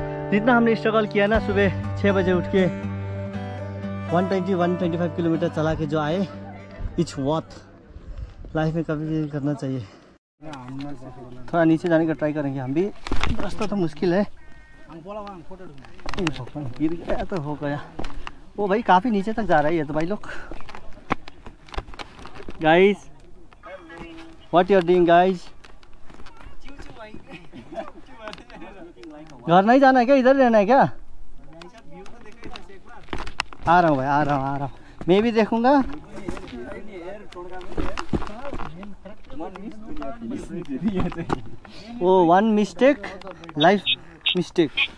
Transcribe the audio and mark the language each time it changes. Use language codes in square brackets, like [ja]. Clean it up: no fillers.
[hi] जितना हमने स्ट्रगल किया ना सुबह 6 बजे उठ के 120-125 किलोमीटर चला के जो आए, [en] It's worth. [hi] लाइफ में कभी भी करना चाहिए। थोड़ा नीचे जाने का ट्राई करेंगे हम भी, रास्ता तो मुश्किल है। गिर गया तो हो गया वो भाई, काफ़ी नीचे तक जा रहा है ये तो भाई लोग। Guys [en] What you are doing guys? [hi] घर नहीं जाना है क्या, इधर रहना है क्या? आ रहा हूँ भाई, आ रहा हूँ, आ रहा हूँ। मैं भी देखूँगा, वो [en] One mistake life mistake.